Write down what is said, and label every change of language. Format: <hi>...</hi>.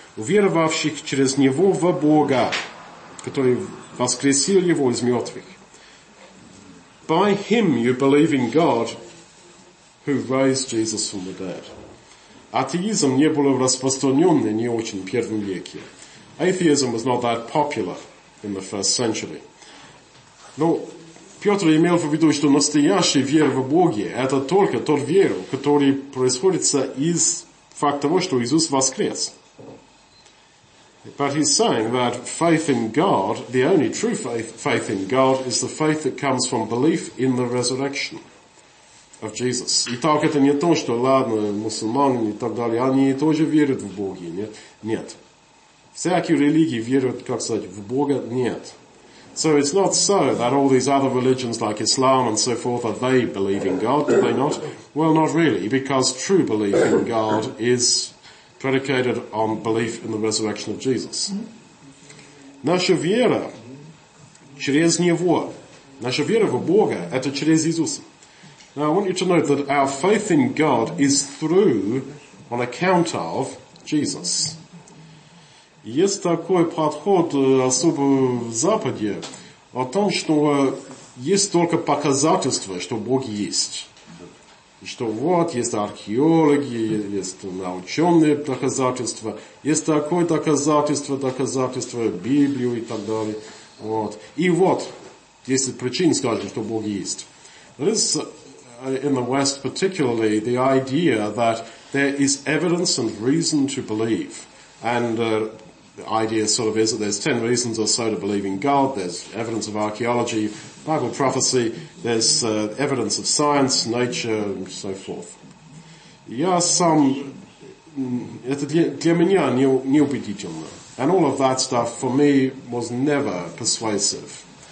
<ru>Уверовавших через него в Бога, который воскресил его из мертвых.</ru> <en>By him you believe in God, who raised Jesus from the dead.</en> <ru>Атеизм не был распространенный не очень в первом веке.</ru> <en>Atheism was not that popular in the first century.</en> <ru>Но Петр имел в виду, что настоящая вера в Бога – это только тот веру, который происходит из факта того, что Иисус воскрес.</ru> <en>But he's saying that faith in God, the only true faith in God, is the faith that comes from belief in the resurrection of Jesus.</en> <ru>И так это не то, что, ладно, мусульмане и так далее, они тоже верят в Бога, нет? Нет. Всякие религии верят, как сказать, в Бога, нет.</ru> <en>So it's not so that all these other religions like Islam and so forth, are they believe in God, do they not? Well, not really, because true belief in God is predicated on belief in the resurrection of Jesus.</en> <ru>Наша вера через Него. Наша вера в Бога – это через Иисуса.</ru> <en>Now, I want you to note that our faith in God is through, on account of, Jesus.</en> <ru>Есть такой подход, особо в Западе, о том, что есть только показательство, что Бог есть. Что вот, есть археологи, есть научные доказательства, есть такое доказательство, Библию и так далее. Вот. И вот, если причин, скажем, что Бог есть.</ru> <en>There is, in the West particularly, the idea that there is evidence and reason to believe. And the idea sort of is that there's 10 reasons or so to believe in God, there's evidence of archaeology, Bible prophecy, there's evidence of science, nature, and so forth.</en> <ru>Я сам... Это для меня неубедительно.</ru> <en>And all of that stuff, for me, was never persuasive.</en>